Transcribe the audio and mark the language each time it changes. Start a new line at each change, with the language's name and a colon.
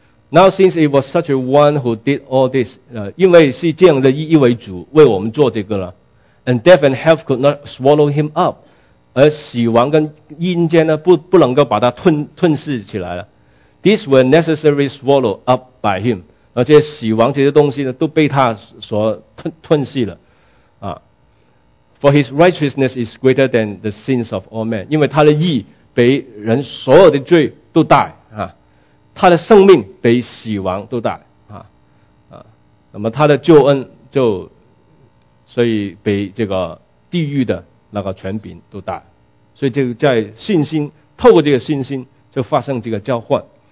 English: Now since it was such a one who did all this,
Chinese: 因为是这样的一位主为我们做这个了
English: ，and death and hell could not swallow him up。
Chinese: 而死亡跟阴间呢不能够把它吞噬起来了。
English: These were necessarily swallowed up by him.
Chinese: 而且死亡这些东西呢都被他所吞噬了。
English: For his righteousness is greater than the sins of all men.
Chinese: 因为他的义比人所有的罪都大。他的生命比死亡都大。那么他的救恩就所以比这个地狱的那个权柄都大，所以就在信心，透过这个信心就发生这个交换，